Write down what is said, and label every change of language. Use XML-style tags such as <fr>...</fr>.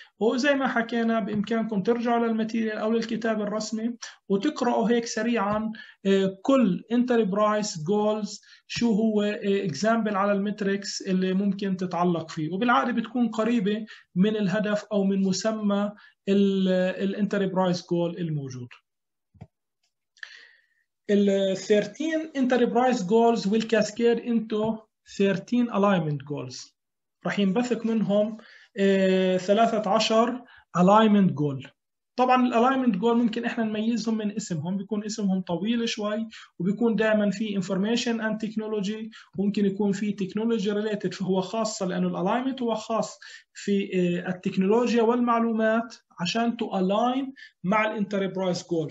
<ar>وزي ما حكينا بإمكانكم ترجعوا للماتيريال أو للكتاب الرسمي وتقرأوا هيك سريعا كل</ar> <en>enterprise goals</en> <ar>شو هو example على المتريكس اللي ممكن تتعلق فيه، وبالعادة بتكون قريبة من الهدف أو من مسمى ال enterprise goal الموجود.</ar> <en>The 13 enterprise goals will cascade into 13 alignment goals.</en> <ar>راح ينبثق منهم 13</ar> <en>alignment goal.</en> <ar>طبعا الالاينمنت جول ممكن احنا نميزهم من اسمهم، بيكون اسمهم طويل شوي وبيكون دائما في انفورميشن اند تكنولوجي، ممكن يكون في تكنولوجي ريليتد فهو خاص، لانه الالاينمنت هو خاص في التكنولوجيا والمعلومات عشان تو الاين مع الانتربرايز جول.</ar>